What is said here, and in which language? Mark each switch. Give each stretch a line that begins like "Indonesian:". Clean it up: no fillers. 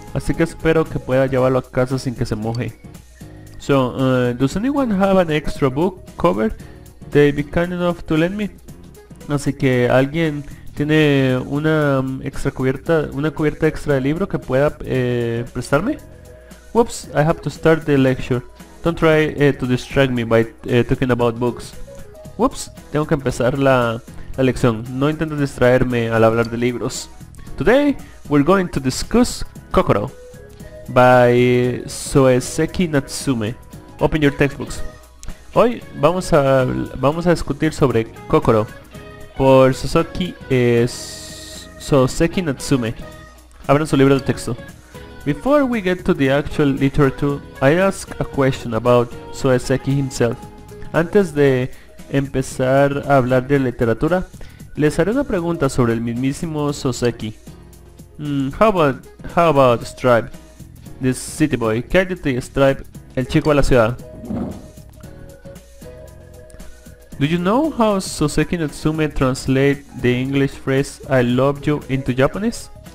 Spanish: Así que espero que pueda llevarlo a casa sin que se moje.
English: So, does anyone have an extra book cover? They'd be kind enough to lend me.
Spanish: Así que alguien tiene una extra cubierta, una cubierta extra de libro que pueda prestarme.
English: Whoops, I have to start the lecture. Don't try to distract me by talking about books. Whoops,
Spanish: tengo que empezar la lección. No intentes distraerme al hablar de libros.
English: Today, we're going to discuss Kokoro by Soeseki Natsume. Open your textbooks.
Spanish: Hoy vamos a discutir sobre Kokoro por Soeseki Natsume. Abran su libro de texto.
English: Before we get to the actual literature, I ask a question about Soeseki himself.
Spanish: Antes de empezar a hablar de literatura, les haré una pregunta sobre el mismísimo Soeseki.
English: How about Stripe, the city boy?
Spanish: ¿Qué hay de ti, Stripe, el chico de la ciudad?
English: Do you know how Soseki Natsume translate the English phrase I love you into Japanese?